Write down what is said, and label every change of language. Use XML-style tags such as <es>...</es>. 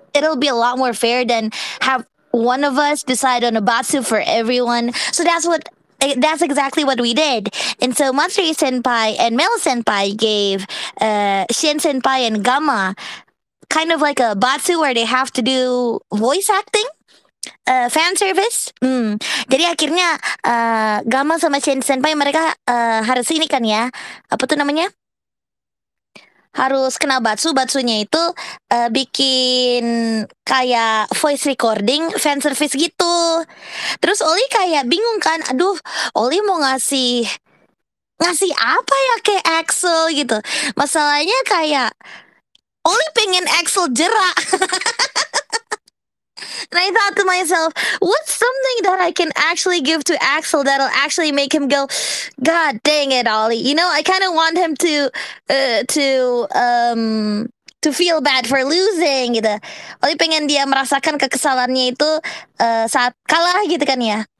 <en>It'll be a lot more fair than have one of us decide on a batsu for everyone." So that's exactly what we did. And so Matsuri Senpai and Mel Senpai gave Shien Senpai and Gama kind of like a batsu where they have to do voice acting. Fan service.</en> <id>Jadi akhirnya Gama sama Shien Senpai mereka harus ini kan ya. Apa tuh namanya? Harus kena batsu. Batsunya itu bikin kayak voice recording, fan service gitu. Terus Oli kayak bingung kan, aduh, Oli mau ngasih apa ya ke Axel gitu. Masalahnya kayak Oli pengen Axel jerak.</id> <en>And I thought to myself, what's something that I can actually give to Axel that'll actually make him go, "God dang it, Ollie." You know, I kind of want him to feel bad for losing gitu.</en> <id>Ollie pengen dia merasakan kekesalannya itu saat kalah gitu kan ya.</id>